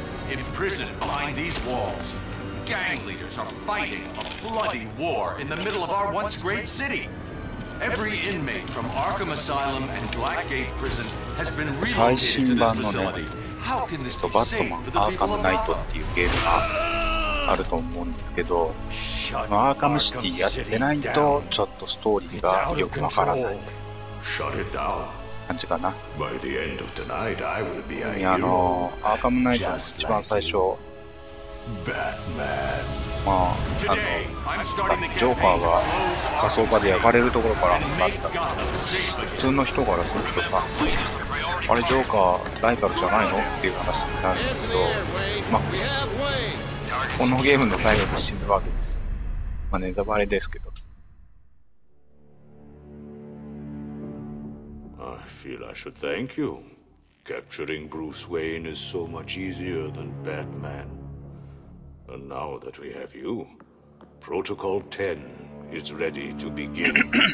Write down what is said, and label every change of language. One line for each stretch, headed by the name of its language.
English: In prison behind these walls, gang leaders are fighting a bloody war in the middle of our once great city. Every inmate from Arkham Asylum and Blackgate Prison has been relocated to this facility. How can this be safe for the people of Arkham?
Japanese: っていうゲームがあると思うんですけど、アーカムシティやってないとちょっとストーリーがよくわからない。
English: Shut it down.
Japanese: 感じかな。
English: By the end of tonight, I will be a hero.
Japanese: アーカムナイトの一番最初、
English: Batman.
Japanese: まあ、ジョーカーが仮想場で焼かれるところから始まった。普通の人からするとさ、あれジョーカーライバルじゃないのっていう話になるんだけど、まあ、このゲームの最後で死ぬわけです。まあ、ネタバレですけど。
English: I feel I should thank you. Capturing Bruce Wayne is so much easier than Batman. And now that we have you, Protocol 10 is ready to begin.